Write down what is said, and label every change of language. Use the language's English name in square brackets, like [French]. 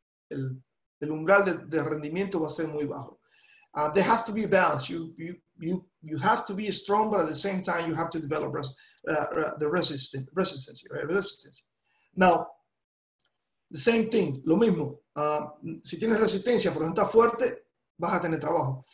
[Spanish] El umbral de rendimiento va a ser muy bajo. [English] There has to be a balance. You have to be strong, but at the same time, you have to develop resistance. Now, the same thing, [Spanish] lo mismo. Si tienes resistencia, pero no estás fuerte, vas a tener trabajo.